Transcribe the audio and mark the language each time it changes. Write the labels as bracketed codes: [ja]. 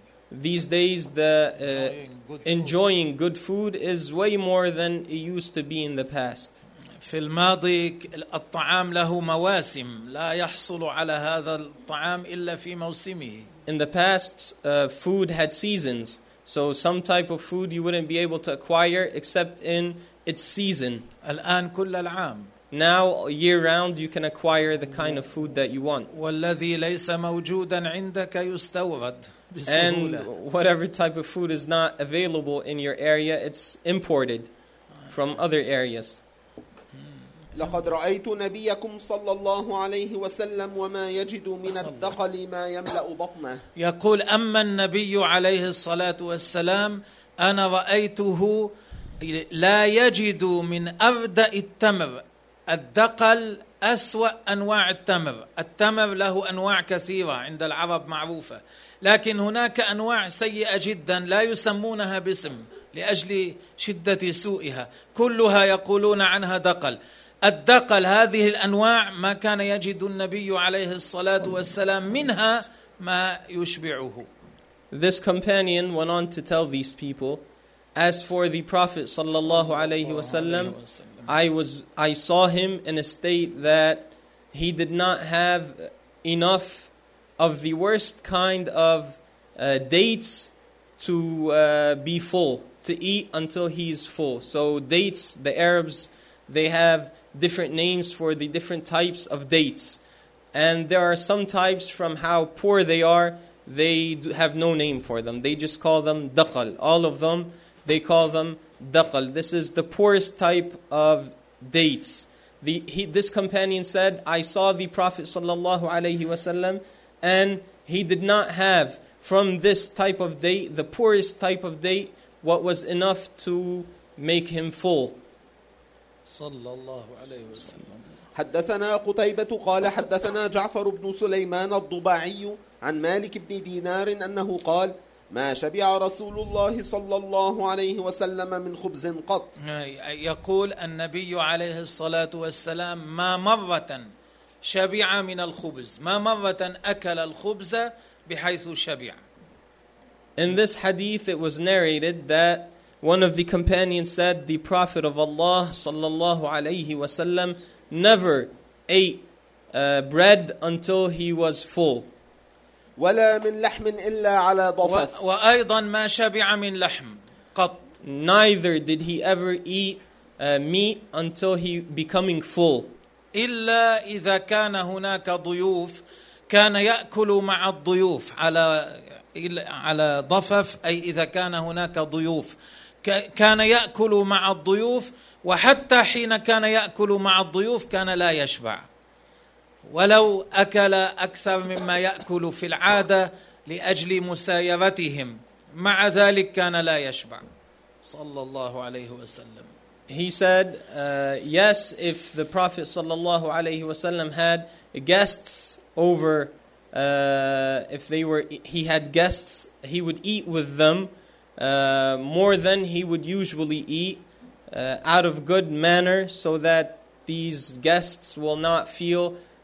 [en] These days, enjoying good food is way more than it used to be in the past. [ar] في الماضي الطعام له مواسم لا يحصل على هذا الطعام إلا في موسمه. [en] In the past, food had seasons, so some type of food you wouldn't be able to acquire except in its season. [ar] الآن كل العام. [en] Now, year round, you can acquire the kind of food that you want. [ar] والذي ليس موجودا عندك يستورد. [en] And whatever type of food is not available in your area, it's imported from other areas. [ar] لقد رأيت نبيكم صلى الله عليه وسلم وما يجد من الدقل ما يملأ بطنه. يقول أما النبي عليه الصلاة والسلام أنا رأيته لا يجد من أبدأ التمر الدقل أسوأ أنواع التمر. التمر له أنواع كثيرة عند العرب معروفة. لكن هناك أنواع سيئة جدا لا يسمونها باسم لأجل شدة سوئها. كلها يقولون عنها دقل. الدقل هذه الأنواع ما كان يجد النبي عليه الصلاة والسلام منها ما يشبعه. [en] This companion went on to tell these people, as for the Prophet [ar] صلى الله عليه وسلم, [en] I saw him in a state that he did not have enough of the worst kind of dates to be full, to eat until he's full. So dates, the Arabs, they have different names for the different types of dates. And there are some types from how poor they are, they have no name for them. They just call them daqal. All of them, they call them daqal. This is the poorest type of dates. This companion said, I saw the Prophet [ar] sallallahu alayhi wasallam, [en] and he did not have from this type of date, the poorest type of date, what was enough to make him full. [ar] صلى الله عليه وسلم. حدثنا قتيبة قال حدثنا جعفر بن سليمان الضباعي عن مالك بن دينار أنه قال ما شبع رسول الله صلى الله عليه وسلم من خبز قط. يقول النبي عليه الصلاة والسلام ما مرة شبع من الخبز ما مرة أكل الخبز بحيث شبع. [en] In this hadith it was narrated that one of the companions said, the Prophet of Allah [ar] sallallahu alayhi wasallam [en] never ate bread until he was full. [ar] ولا من لحم إلا على ضفث. وأيضا ما شبع من لحم قط. [en] Neither did he ever eat meat until he becoming full. [ar] إلا إذا كان هناك ضيوف كان يأكل مع الضيوف على ضفف أي إذا كان هناك ضيوف. كان يأكل مع الضيوف وحتى حين كان يأكل مع الضيوف كان لا يشبع ولو أكل أكثر مما يأكل في العادة لأجل مسايرتهم مع ذلك كان لا يشبع صلى الله عليه وسلم. [en] He said yes, if the Prophet [ar] صلى الله عليه وسلم [en] had guests over, if he had guests he would eat with them more than he would usually eat out of good manner so that these guests will not feel